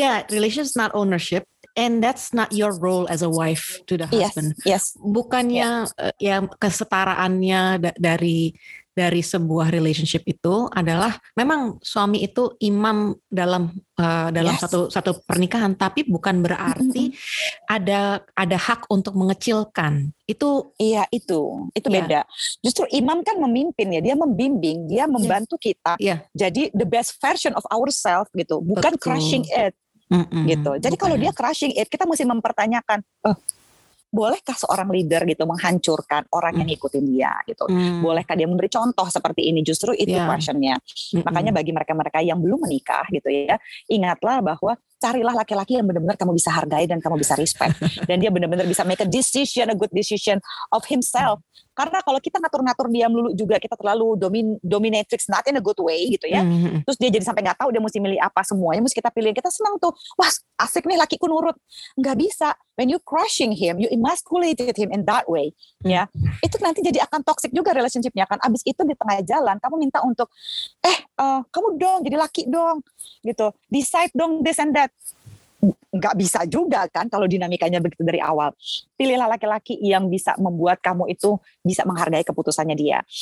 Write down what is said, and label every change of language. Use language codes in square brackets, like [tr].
[en] Relationship not ownership, and that's not your role as a wife to the husband. Yes. [id] Bukannya yang kesetaraannya dari sebuah relationship itu adalah memang suami itu imam dalam satu pernikahan, tapi bukan berarti ada hak untuk mengecilkan. Itu itu beda. Justru imam kan memimpin ya, dia membimbing, dia membantu kita jadi [en] the best version of ourselves [id] gitu, bukan [en] crushing it. [id] Gitu. Jadi kalau dia [en] crushing it, [id] kita mesti mempertanyakan, bolehkah seorang leader gitu menghancurkan orang yang ngikutin dia gitu? Bolehkah dia memberi contoh seperti ini? Justru itu questionnya. Makanya bagi mereka-mereka yang belum menikah gitu ya, ingatlah bahwa carilah laki-laki yang benar-benar kamu bisa hargai dan kamu bisa respect. Dan dia benar-benar bisa [en] make a decision, a good decision of himself. [id] Karena kalau kita ngatur-ngatur dia melulu juga, kita terlalu dominatrix, [en] not in a good way [id] gitu ya. Terus dia jadi sampai gak tahu dia mesti milih apa semuanya, mesti kita pilih. Kita senang tuh, wah asik nih lakiku nurut. Gak bisa. [en] When you crushing him, you emasculated him in that way. [id] Ya. Itu nanti jadi akan toxic juga relationship-nya kan. Abis itu di tengah jalan, kamu minta untuk, kamu dong jadi laki dong. Gitu. Decide dong [en] this and that. [id] Gak bisa juga kan kalau dinamikanya begitu dari awal. Pilihlah laki-laki yang bisa membuat kamu itu bisa menghargai keputusannya dia.